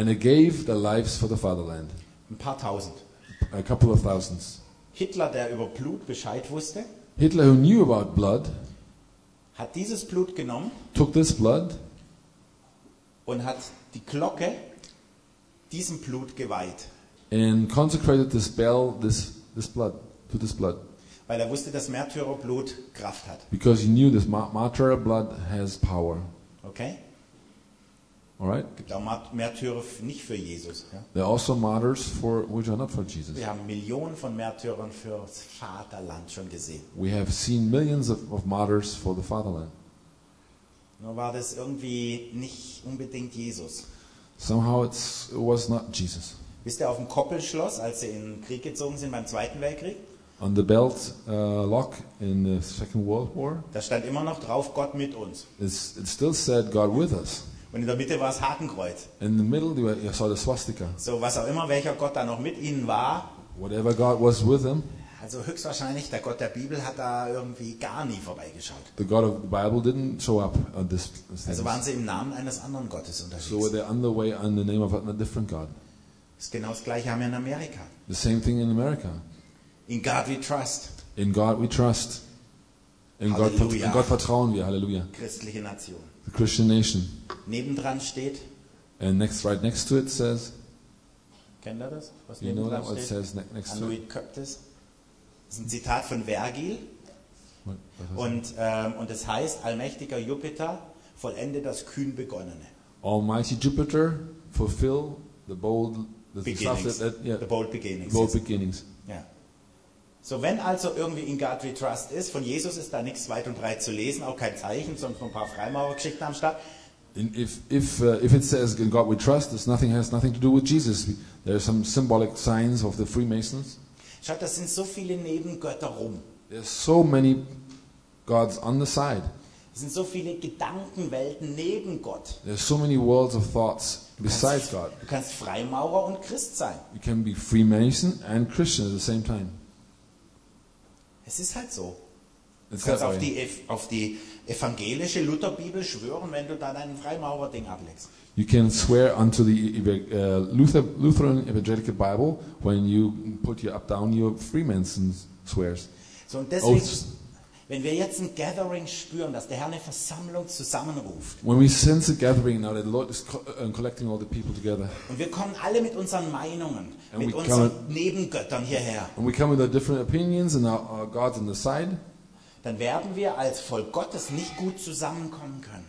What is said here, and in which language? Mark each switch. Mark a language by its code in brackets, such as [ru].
[en] And they gave their lives for the fatherland. [de] Ein paar tausend. [en] A couple of thousands. [de] Hitler, der über Blut Bescheid wusste, [en] Hitler, who knew about blood, [de] hat dieses Blut genommen, [en] took this blood, [de] und hat die Glocke diesem Blut geweiht. [en] And consecrated this bell, this blood, to this blood. [de] Weil er wusste, dass Märtyrerblut Kraft hat. [en] Because he knew this martyr blood has power. Okay. Alright. [de] Gibt auch Märtyrer nicht für Jesus. Ja? [en] There are also martyrs for which are not for Jesus. [de] Wir haben Millionen von Märtyrern fürs Vaterland schon gesehen. [en] We have seen millions of martyrs for the fatherland. [de] Nur war das irgendwie nicht unbedingt Jesus. [en] Somehow it was not Jesus. [de] Wisst ihr, auf dem Koppelschloss, als sie in den Krieg gezogen sind beim Zweiten Weltkrieg? [en] On the belt lock in the Second World War. [de] Da stand immer noch drauf Gott mit uns. [en] It still said God with us. [de] Und in der Mitte war das Hakenkreuz. [en] In the middle you saw the swastika. [de] So was auch immer welcher Gott da noch mit ihnen war. [en] Whatever God was with them. [de] Also höchstwahrscheinlich der Gott der Bibel hat da irgendwie gar nie vorbeigeschaut. [en] The God of the Bible didn't show up on this. [de] Also waren sie im Namen eines anderen Gottes unterwegs. [en] So were they on the way on the name of a different God. [de] Das ist genau das gleiche haben wir in Amerika. [en] The same thing in America. In God we trust. In God we trust. [de] In Gott vertrauen wir. [en] Halleluja. [de] Christliche Nation. [en] The Christian Nation. [de] Nebendran steht. [en] And next, right next to it says. [de] Kennt ihr das? [en] Was you know what it says next to it? Curtis. [de] Das ist ein Zitat von Vergil. Und es heißt, allmächtiger Jupiter, vollende das kühn Begonnene. [en] Almighty Jupiter, fulfill the bold beginnings. The bold beginnings. The bold beginnings. [de] So, wenn also irgendwie [en] in God we trust [de] ist, von Jesus ist da nichts weit und breit zu lesen, auch kein Zeichen, sondern ein paar Freimaurergeschichten am Start. [en] If it says in God we trust, this nothing has nothing to do with Jesus. There are some symbolic signs of the Freemasons. [de] Schaut, das sind so viele Nebengötter rum. [en] There's so many gods on the side. [de] Es sind so viele Gedankenwelten neben Gott. [en] There's so many worlds of thoughts besides God. [de] Du kannst Freimaurer und Christ sein. [en] You can be Freemason and Christian at the same time. [de] Es ist halt so. Du kannst auf die evangelische Lutherbibel schwören, wenn du da dein Freimaurer-Ding ablegst. [en] You can swear unto the Lutheran Evangelical Bible when you put your up down your Freemasons swears. [de] So, und deswegen, wenn wir jetzt ein Gathering spüren, dass der Herr eine Versammlung zusammenruft. [en] When we sense a gathering now that the Lord is collecting all the people together. [de] Und wir kommen alle mit unseren Meinungen, and mit unseren Nebengöttern hierher. [en] And we come with our different opinions and our gods on the side. [de] Dann werden wir als Volk Gottes nicht gut zusammenkommen können.